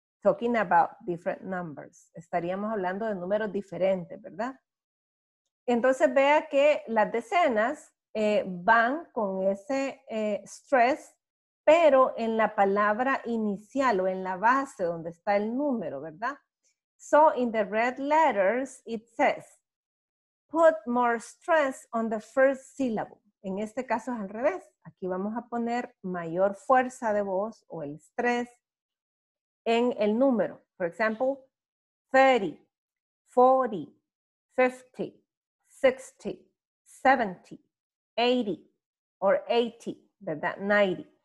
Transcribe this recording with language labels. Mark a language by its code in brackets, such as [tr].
[en] Talking about different numbers. [es] Estaríamos hablando de números diferentes, ¿verdad? Entonces vea que las decenas van con ese stress, pero en la palabra inicial o en la base donde está el número, ¿verdad? [en] So in the red letters it says, put more stress on the first syllable. [es] En este caso es al revés. Aquí vamos a poner mayor fuerza de voz o el stress en el número. [en] For example, 30, 40, 50, 60, 70, 80, or 80, ¿verdad? 90.